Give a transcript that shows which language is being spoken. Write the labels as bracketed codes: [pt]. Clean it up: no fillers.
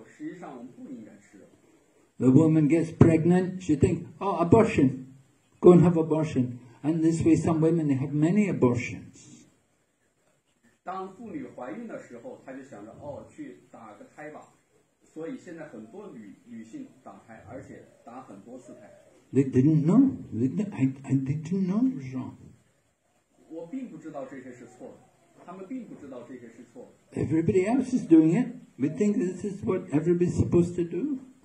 [zh] 我们看见周围所有人都在吃肉，我们认为这个人就应该吃肉，实际上我们不应该吃肉。 [en] The woman gets pregnant, she thinks, oh, abortion, go and have abortion. And this way some women, they have many abortions. [zh] 当妇女怀孕的时候，她就想着，哦，去打个胎吧。所以现在很多女性打胎，而且打很多次胎。 [en] They didn't know. They didn't know it was wrong. [zh] 我并不知道这些是错的。 [en] Everybody else is doing it. We think this is what everybody's supposed to do.